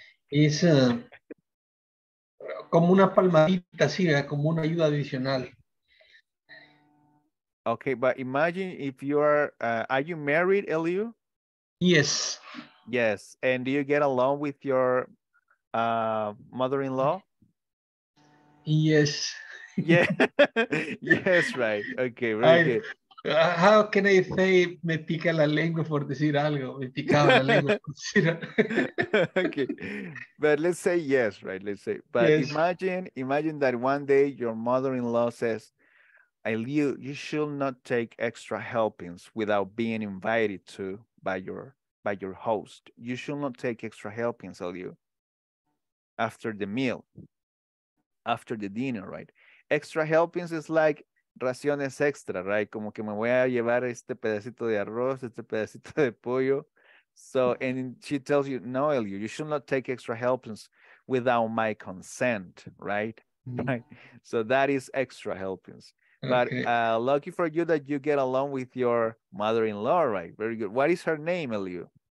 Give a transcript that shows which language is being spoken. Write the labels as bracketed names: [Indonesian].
[Spanish] Is como una palmadita, sí, como una ayuda adicional. [English] Okay, but imagine if you are you married, Eliu? Yes. Yes, and do you get along with your mother-in-law? Yes. Yeah. Yes, right. Okay, very good. How can I say [Spanish] me pica la lengua por decir algo? Me picaba la lengua por decir [English] algo. Okay, but let's say yes, right? Let's say. But yes. imagine that one day your mother-in-law says, Eliu, you should not take extra helpings without being invited to by your host. You should not take extra helpings, Eliu, after the meal, after the dinner, right? Extra helpings is like [Spanish] raciones extra, [English] right? [Spanish] Como que me voy a llevar este pedacito de arroz, este pedacito de pollo. [English] So, and she tells you, no, Eliu, you should not take extra helpings without my consent, right? Mm-hmm. Right. So that is extra helpings. But okay. Lucky for you that you get along with your mother-in-law, right? Very good. What is her name, Eliu?